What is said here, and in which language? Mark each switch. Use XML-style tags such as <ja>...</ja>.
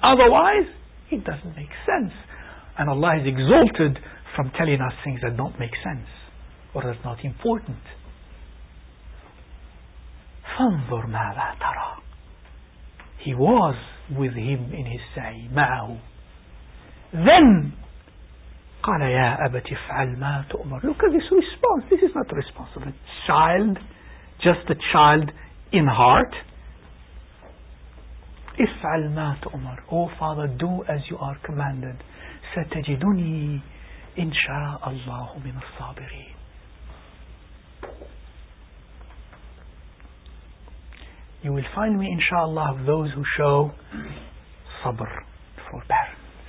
<en>Otherwise, it doesn't make sense. And Allah is exalted from telling us things that don't make sense or that's not important.</en> <ar>فَانْظُرْ مَاذَا تَرَى.</ar> <en>He was with him in his say, مَعَهُ. Then,</en> <ar>قَالَ يَا أَبَتِ فَعَلْ مَا تُؤْمَرْ.</ar> <en>Look at this response. This is not the response of a child, just a child in heart.</en> <ar>اِفْعَلْ مَا تُؤْمَرْ.</ar> <en>O Father, do as you are commanded.</en> <ar>سَتَجِدُنِي إِنْ شَاءَ اللَّهُ مِنَ الصَّابِرِينَ.</ar> <en>You will find me, inshaAllah, of those who show sabr, forbearance.</en>